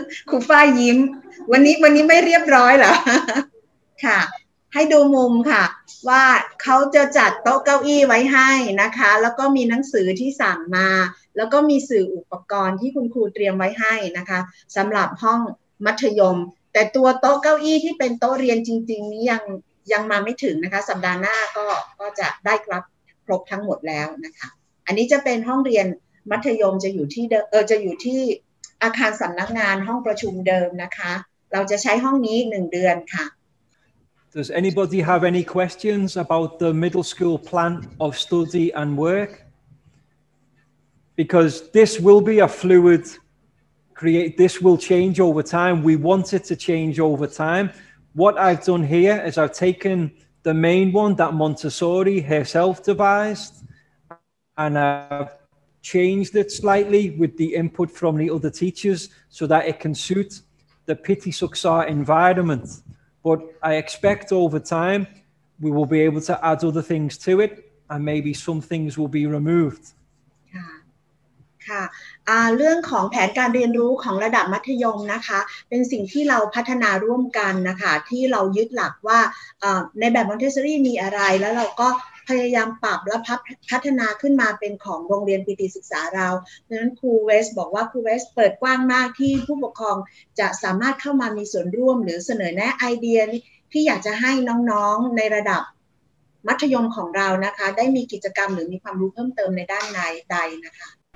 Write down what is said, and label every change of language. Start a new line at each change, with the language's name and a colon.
Thai: ครูฝ้ายยิ้มวันนี้ไม่เรียบร้อยเหรอค่ะให้ดูมุมค่ะว่าเขาจะจัดโต๊ะเก้าอี้ไว้ให้นะคะแล้วก็มีหนังสือที่สั่งมาแล้วก็มีสื่ออุปกรณ์ที่คุณครูเตรียมไว้ให้นะคะสำหรับห้องมัธยมแต่ตัวโต๊ะเก้าอี้ที่เป็นโต๊ะเรียนจริงๆนี้ ยังมาไม่ถึงนะคะสัปดาห์หน้าก็จะได้ครับครบทั้งหมดแล้วนะคะอันนี้จะเป็นห้องเรียนมัธยมจะอยู่ที่อาคารสำนักงานห้องประชุมเดิมนะคะเราจะใช้ห้องนี้1เดือนค่ะ
English: Does anybody have any questions about the middle school plan of study and workBecause this will be a fluid create, this will change over time. We want it to change over time. What I've done here is I've taken the main one that Montessori herself devised and I've changed it slightly with the input from the other teachers so that it can suit the Pitisuksar environment. But I expect over time we will be able to add other things to it and maybe some things will be removed.
Thai: ค่ะเรื่องของแผนการเรียนรู้ของระดับมัธยมนะคะเป็นสิ่งที่เราพัฒนาร่วมกันนะคะที่เรายึดหลักว่าในแบบมอนเตสซอรี่มีอะไรแล้วเราก็พยายามปรับและพัฒนาขึ้นมาเป็นของโรงเรียนปีติศึกษาเราดังนั้นครูเวสบอกว่าครูเวสเปิดกว้างมากที่ผู้ปกครองจะสามารถเข้ามามีส่วนร่วมหรือเสนอแนะไอเดียที่อยากจะให้น้องๆในระดับมัธยมของเรานะคะได้มีกิจกรรมหรือมีความรู้เพิ่มเติมในด้านใดนะคะ